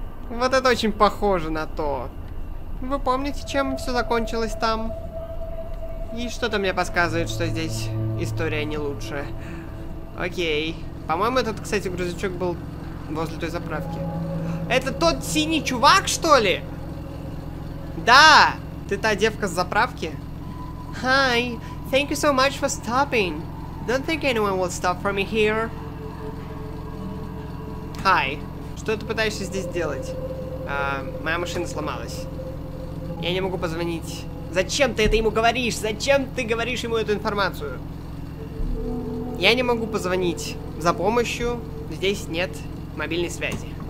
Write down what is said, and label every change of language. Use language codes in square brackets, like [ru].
[ru] Вот это очень похоже на то. Вы помните, чем все закончилось там? И что-то мне подсказывает, что здесь история не лучше. Окей. По-моему, этот, кстати, грузовичок был... возле той заправки. Это тот синий чувак, что ли? Да! Ты та девка с заправки? [en] Hi, thank you so much for stopping. Don't think anyone will stop for me here. Hi. [ru] Что ты пытаешься здесь делать? Моя машина сломалась. Я не могу позвонить. Зачем ты это ему говоришь? Зачем ты говоришь ему эту информацию? Я не могу позвонить за помощью. Здесь нет... мобильной связи.